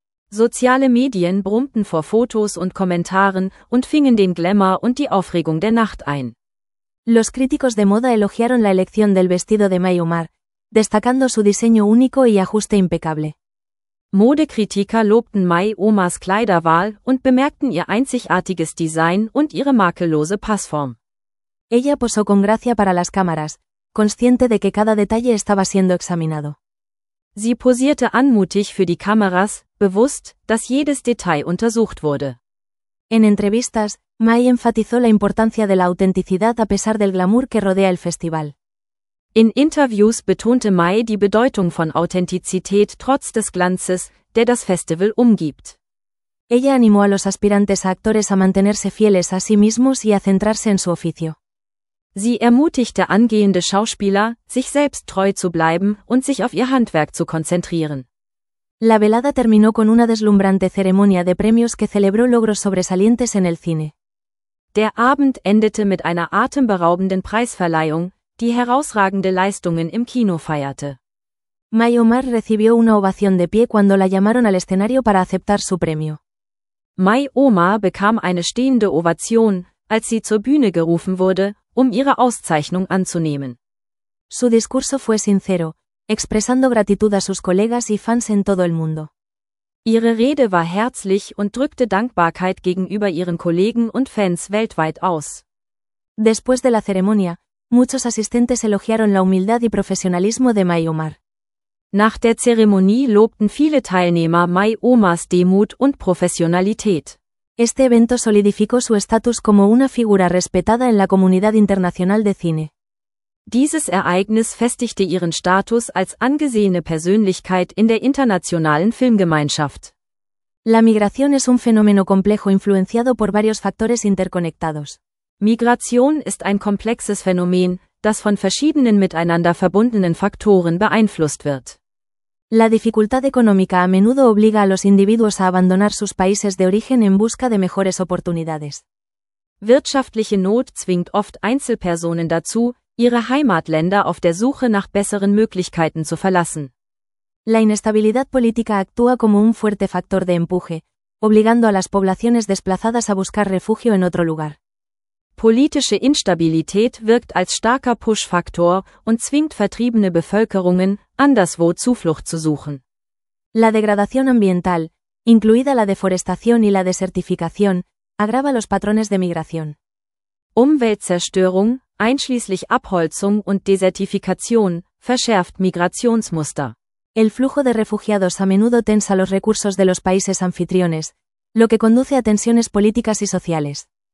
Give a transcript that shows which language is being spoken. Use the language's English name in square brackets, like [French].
[German] Soziale Medien brummten vor Fotos und Kommentaren und fingen den Glamour und die Aufregung der Nacht ein. [Spanish] Los críticos de moda elogiaron la elección del vestido de Mai Omar, destacando su diseño único y ajuste impecable. [German] Modekritiker lobten Mai Omars Kleiderwahl und bemerkten ihr einzigartiges Design und ihre makellose Passform. [Spanish] Ella posó con gracia para las cámaras, consciente de que cada detalle estaba siendo examinado. [German] Sie posierte anmutig für die Kameras, bewusst, dass jedes Detail untersucht wurde. [Spanish] En entrevistas, May enfatizó la importancia de la autenticidad a pesar del glamour que rodea el festival. [German] In interviews betonte May die Bedeutung von Authentizität trotz des Glanzes, der das Festival umgibt. [Spanish] Ella animó a los aspirantes a actores a mantenerse fieles a sí mismos y a centrarse en su oficio. [German] Sie ermutigte angehende Schauspieler, sich selbst treu zu bleiben und sich auf ihr Handwerk zu konzentrieren. [Spanish] La velada terminó con una deslumbrante ceremonia de premios que celebró logros sobresalientes en el cine. [German] Der Abend endete mit einer atemberaubenden Preisverleihung, die herausragende Leistungen im Kino feierte. [Spanish] May Omar recibió una ovación de pie cuando la llamaron al escenario para aceptar su premio. [German] May Omar bekam eine stehende Ovation, als sie zur Bühne gerufen wurde, um ihre Auszeichnung anzunehmen. [Spanish] Su discurso fue sincero, expresando gratitud a sus colegas y fans en todo el mundo. [German] Ihre Rede war herzlich und drückte Dankbarkeit gegenüber ihren Kollegen und Fans weltweit aus. [Spanish] Después de la ceremonia, muchos asistentes elogiaron la humildad y profesionalismo de May Omar. [German] Nach der Zeremonie lobten viele Teilnehmer May Omars Demut und Professionalität. [Spanish] Este evento solidificó su estatus como una figura respetada en la comunidad internacional de cine. [German] Dieses Ereignis festigte ihren Status als angesehene Persönlichkeit in der internationalen Filmgemeinschaft. [Spanish] La migración es un fenómeno complejo influenciado por varios factores interconectados. [German] Migration ist ein komplexes Phänomen, das von verschiedenen miteinander verbundenen Faktoren beeinflusst wird. [Spanish] La dificultad económica a menudo obliga a los individuos a abandonar sus países de origen en busca de mejores oportunidades. [German] Wirtschaftliche Not zwingt oft Einzelpersonen dazu, ihre Heimatländer auf der Suche nach besseren Möglichkeiten zu verlassen. [Spanish] La inestabilidad política actúa como un fuerte factor de empuje, obligando a las poblaciones desplazadas a buscar refugio en otro lugar. [German] Politische Instabilität wirkt als starker Push-Faktor und zwingt vertriebene Bevölkerungen, anderswo Zuflucht zu suchen. [Spanish] La degradación ambiental, incluida la deforestación y la desertificación, agrava los patrones de migración. [German] Umweltzerstörung, einschließlich Abholzung und Desertifikation, verschärft Migrationsmuster. [Spanish] El flujo de refugiados a menudo tensa los recursos de los países anfitriones, lo que conduce a tensiones políticas y sociales.